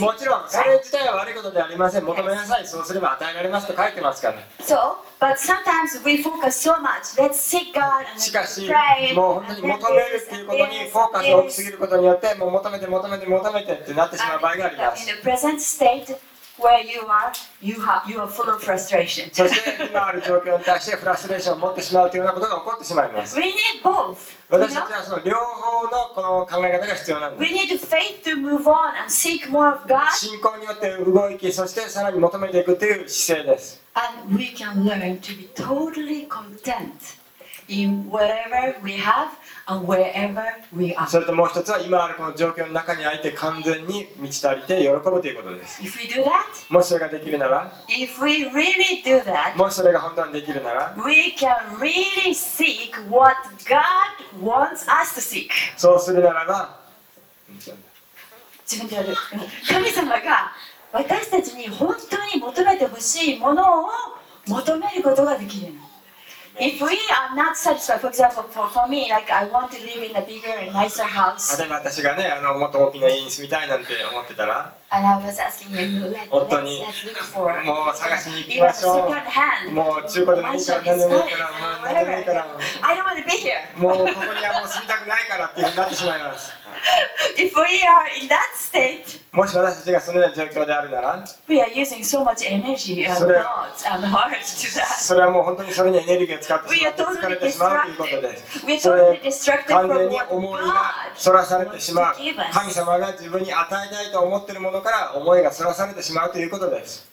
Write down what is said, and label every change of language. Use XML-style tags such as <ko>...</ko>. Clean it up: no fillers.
<ja>もちろん、それ自体は悪いことではありません。求めなさい、そうすれば与えられますと書いてますから。</ja> <en>So, but sometimes we focus so much. Let's seek God and pray.</en> <ja>しかし、もう本当に求めるっていうことにフォーカスを置きすぎることによって、もう求めてってなってしまう場合があります。</ja> <en>In the present state. Where you are, you are full of frustration.</en> <ja>そして今ある状況に対してフラストレーションを持ってしまうというようなことが起こってしまいます。</ja> <en>We need both.</en> <ja>私たちはその両方のこの考え方が必要なんです。</ja> <en>We need faith to move on and seek more of God.</en> <ja>信仰によって動き、そしてさらに求めていくという姿勢です。</ja> <en>And we can learn to be totally content in whatever we have and wherever we are.</en> <ja>それともう一つは今あるこの状況の中にあえて完全に満ち足りて喜ぶということです。</ja> <en>If we do that,</en> <ja>もしそれができるなら、</ja> <en>If we really do that,</en> <ja>もしそれが本当にできるなら、</ja> <en>We can really seek what God wants us to seek.</en> <ja>そうするならば、自分でやる。神様が私たちに本当に求めてほしいものを求めることができるの。</ja> <en>If we are not satisfied, for example, for me, like I want to live in a bigger and nicer house.</en> <ja>でも私がね、もっと大きな家に住みたいなんて思ってたら、</ja> <en>And I was asking him, let's look for,</en> <ja>もう探しに行きましょう。</ja> <en>Even a second hand.</en> <ja>もう中古でもいいから、何でもいいから、</ja> <en>I don't want to be here.</en> <ja>もうここにはもう住みたくないからっていうふうになってしまいます。</ja> <en>If we are in that state,</en> <ja>もし私たちがそのような状況であるなら、</ja> <en>we are using so much energy and thoughts and heart to that.</en> <ja>それはもう本当にそれにエネルギーを使ってしまって疲れてしまうということです。</ja> <en>We are totally distracted from what God wants to give us.</en> <ja>完全に思いがそらされてしまう。神様が自分に与えたいと思っているものから思いがそらされてしまうということです。</ja>